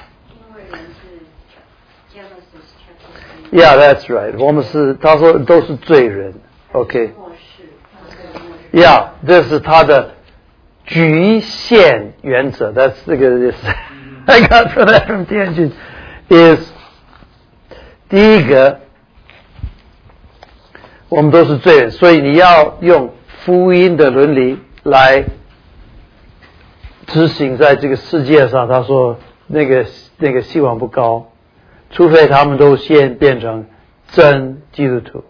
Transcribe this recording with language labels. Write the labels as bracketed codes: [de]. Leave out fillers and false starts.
[zh] 因为人是罪人，是 [en] Yeah, that's right. [zh] 我们是他说都是罪人。 [en] OK. Yeah, [zh] 这是他的局限原则。 [en] That's [zh] 这个意思。 [en] I got for that from 天君。 Is [zh] 第一个，我们都是罪人，所以你要用福音的伦理来执行在这个世界上。他说那个希望不高，除非他们都先变成真基督徒。